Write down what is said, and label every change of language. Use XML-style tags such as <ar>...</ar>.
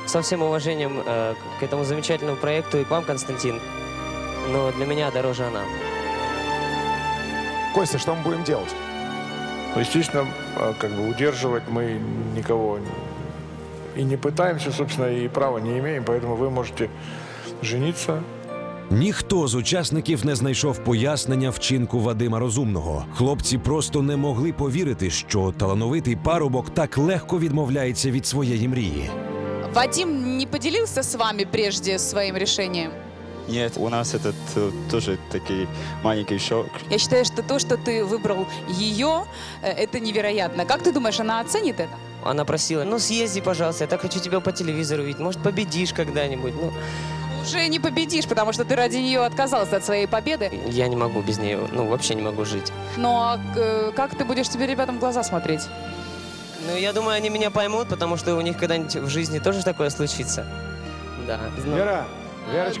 <ru>Со всем уважением к этому замечательному проекту и к вам, Константин. Но для меня дороже она. Костя, что мы будем делать? Естественно, как бы удерживать мы никого и не пытаемся, собственно, и права не имеем, поэтому вы можете жениться.</ru> <uk>Ніхто з учасників не знайшов пояснення вчинку Вадима Розумного. Хлопці просто не могли повірити, що талановитий парубок так легко відмовляється від своєї мрії. Вадим не поділився з вами прежде своїм рішенням? Ні, у нас це теж такий маленький шок. Я вважаю, що те, що ти вибрав її, це невероятно. Як ти думаєш, вона оцінить це? Вона просила, ну з'їзди, пожалуйста, я так хочу тебе по телевізору бачити, може побідиш коли-небудь. Ну...</uk> <ru>Уже не победишь, потому что ты ради нее отказался от своей победы. Я не могу без нее, ну вообще не могу жить. Но как ты будешь теперь ребятам в глаза смотреть? Ну я думаю, они меня поймут, потому что у них когда-нибудь в жизни тоже такое случится. Да. Но... Вера, Верочка.</ru>